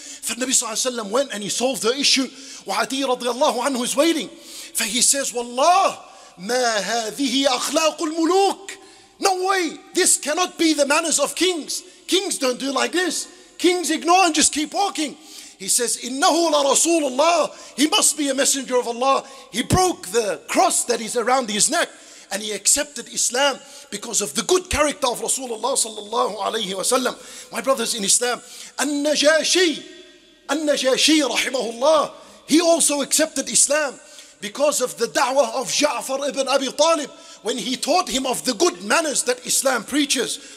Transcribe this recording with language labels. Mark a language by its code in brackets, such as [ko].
[en] For Nabi sallallahu alayhi wa sallam went and he solved her issue. Wa Adi radiallahu anhu is waiting. [ar] For he says, "Wallah, ma hadhihi akhlaqul muluk." [en] No way, this cannot be the manners of kings. Kings don't do like this. Kings ignore and just keep walking. He says, [ar] إِنَّهُ لَرَسُولُ اللَّهِ. [en] He must be a messenger of Allah. He broke the cross that is around his neck and he accepted Islam because of the good character of Rasulullah sallallahu alayhi wa sallam. My brothers in Islam, An-Najashi rahimahullah, he also accepted Islam because of the da'wah of Ja'far ibn Abi Talib when he taught him of the good manners that Islam preaches.